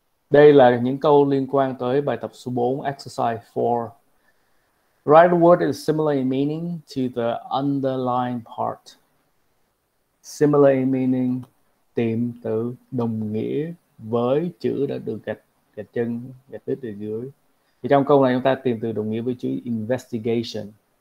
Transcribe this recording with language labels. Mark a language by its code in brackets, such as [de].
[vi] Đây là những câu liên quan tới bài tập số 4, exercise 4. [en] Write a word that is similar in meaning to the underlying part. Similar in meaning, [vi] tìm từ đồng nghĩa với chữ đã được gạch đứt ở dưới. Thì trong câu này chúng ta tìm từ đồng nghĩa với chữ investigation.